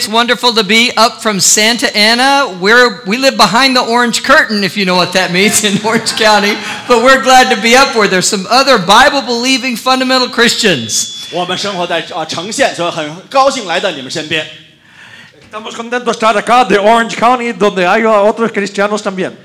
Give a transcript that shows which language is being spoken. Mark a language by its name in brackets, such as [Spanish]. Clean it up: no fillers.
[English] It's wonderful to be up from Santa Ana. We live behind the orange curtain, if you know what that means, in Orange County. But we're glad to be up where there's some other Bible-believing fundamental Christians. [Chinese] 我们生活在城县，所以很高兴来到你们身边。 [Spanish] Estamos contentos estar acá de Orange County, donde hay otros cristianos también.